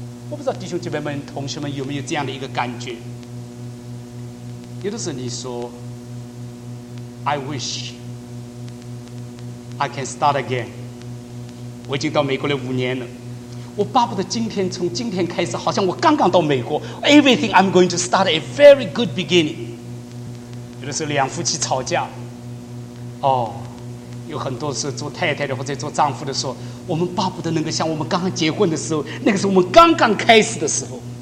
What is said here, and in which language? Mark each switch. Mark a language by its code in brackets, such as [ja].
[zh] 我不知道弟兄姐妹们、同学们有没有这样的一个感觉？有的时候你说 [en] ，I wish I can start again。 [zh] 我已经到美国来5年了，我巴不得今天从今天开始，好像我刚刚到美国。 [en] Everything I'm going to start a very good beginning。 [zh] 有的时候两夫妻吵架，哦，有很多时候做太太的或者做丈夫的说，我们巴不得能够像我们刚刚结婚的时候，那个是我们刚刚开始的时候。